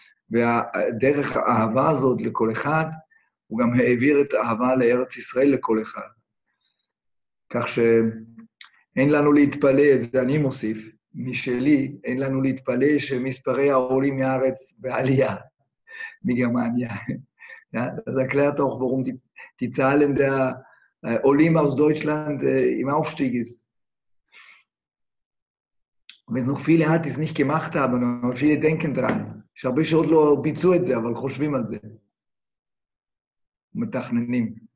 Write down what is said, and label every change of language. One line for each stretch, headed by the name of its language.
Hebrew: והדרך האהבה הזאת לכל אחד, הוא גם העביר את אהבה לארץ ישראל לכל אחד. כך שאין לנו להתפלא, זה אני מוסיף, משלי, אין לנו להתפלא שמספרי העולים מארץ בעלייה. מגרמניה.
German: Das erklärt auch, warum die Zahlen der Olim aus Deutschland im Aufstieg ist. Wenn es noch viele hat, die es nicht gemacht haben, aber viele denken dran. Ich habe schon nur
Hebrew: ביצעו את זה, אבל חושבים על זה. מתכננים.